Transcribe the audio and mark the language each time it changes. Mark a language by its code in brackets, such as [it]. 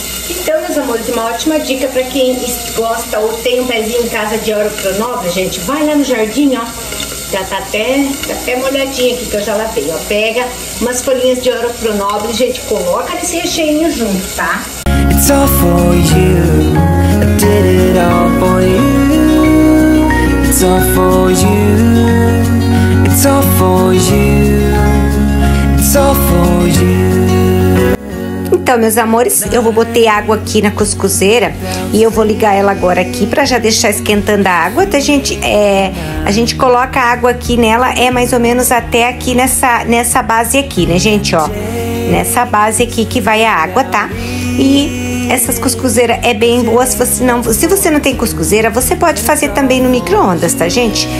[pt] Então, meus amores, uma ótima dica pra quem gosta ou tem um pezinho em casa de horta nova, gente, vai lá no jardim, ó. Já tá até molhadinho aqui, que eu já lavei, ó. Pega umas folhinhas de ouro nobre, gente, coloca nesse recheinho junto, tá? [en] It's all for you, I did it all for you. It's all for you, it's all for you, it's all for you. [pt] Então, meus amores, eu vou botar água aqui na cuscuzeira e eu vou ligar ela agora aqui pra já deixar esquentando a água. Então, a gente coloca a água aqui nela, é mais ou menos até aqui nessa base aqui, né, gente, ó. Nessa base aqui que vai a água, tá? E essas cuscuzeiras é bem boa, se você não tem cuscuzeira, você pode fazer também no micro-ondas, tá, gente?